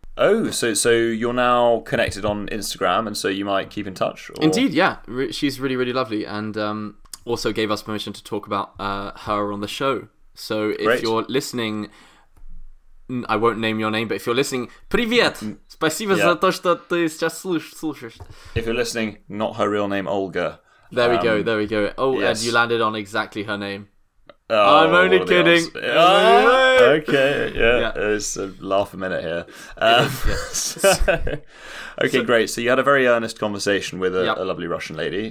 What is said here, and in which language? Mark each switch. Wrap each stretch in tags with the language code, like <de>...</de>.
<en>Oh, so you're now connected on Instagram, and so you might keep in touch? Or... Indeed, yeah. She's really, really lovely, and also gave us permission to talk about her on the show. So if you're listening... I won't name your name, but if you're listening,</en> <ru>привет! Спасибо за то, что ты сейчас слушаешь.</ru> <en>If you're listening, not her real name, Olga. There we go. Oh, yes. Ed, you landed on exactly her name. Oh, I'm only kidding. Okay, yeah. It's a laugh a minute here. Great. So you had a very earnest conversation with a lovely Russian lady.</en>